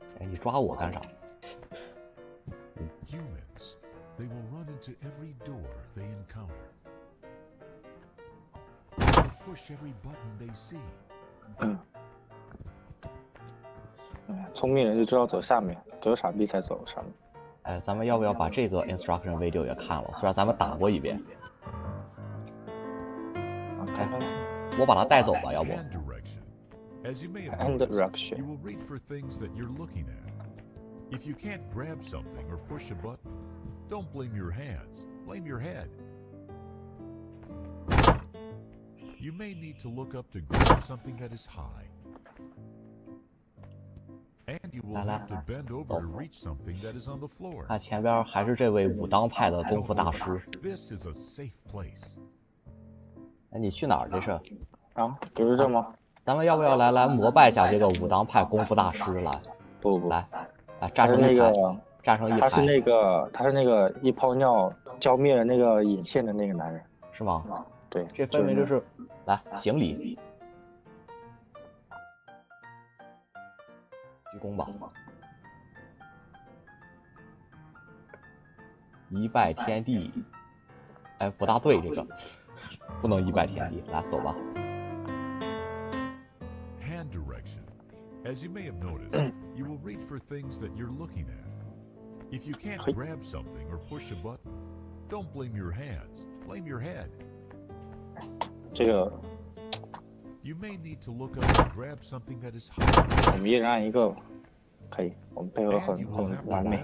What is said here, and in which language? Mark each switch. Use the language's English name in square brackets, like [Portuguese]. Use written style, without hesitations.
[Chinese] 你抓我干啥？ [English] Humans, they will run into every door they encounter, push every button they see. [Chinese] 聪明人就知道走下面，只有傻逼才走上面。哎，咱们要不要把这个 [English] instruction video [Chinese] 也看了？虽然咱们打过一遍。哎，我把它带走吧，要不？ [English] Hand direction. As you may imagine, you will read for things that you're looking at. If you can't grab something or push a button, don't blame your hands, blame your head. You may need to look up to grab something that is high. And you will have to bend over to reach something that is on the floor. [Chinese] 看前边还是这位武当派的功夫大师。 [English] This is a safe place. [Chinese] 哎，你去哪儿这是？啊，不是这吗？咱们要不要来膜拜一下这个武当派功夫大师来？不来。啊，炸成那个，炸成一排。他是那个一泡尿浇灭了那个引线的那个男人，是吗？对，这分明就是，来行礼，鞠躬吧，一拜天地。哎，不大对，这个不能一拜天地，来走吧。 [English] Hand direction, as you may have noticed. You will reach for things that you're looking at. If you can't grab something or push a button, don't blame your hands, blame your head. [Chinese] 这个。 [English] You may need to look up and grab something that is high. [Chinese] 我们一人按一个，可以，我们配合很完美。